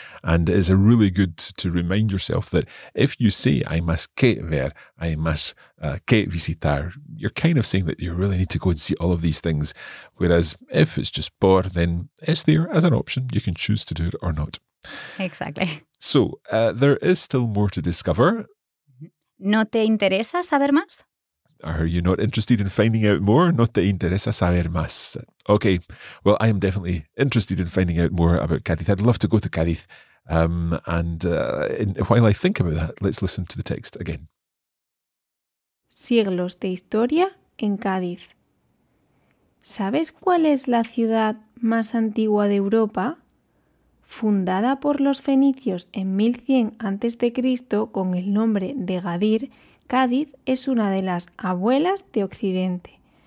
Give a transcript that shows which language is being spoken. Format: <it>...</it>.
<en>And it's a really good to remind yourself that if you say</en> <es>hay más que ver, hay más que visitar,</es> <en>you're kind of saying that you really need to go and see all of these things. Whereas if it's just por, then it's there as an option. You can choose to do it or not. Exactly. So there is still more to discover.</en> <es>¿No te interesa saber más?</es> <en>Are you not interested in finding out more?</en> <es>¿No te interesa saber más?</es> <en>Okay. Well, I am definitely interested in finding out more about Cádiz. I'd love to go to Cádiz. While I think about that, let's listen to the text again.</en> <es>Siglos de historia en Cádiz. ¿Sabes cuál es la ciudad más antigua de Europa? Fundada por los fenicios en 1100 a.C. con el nombre de Gadir, Cádiz es una de las abuelas de Occidente.</es>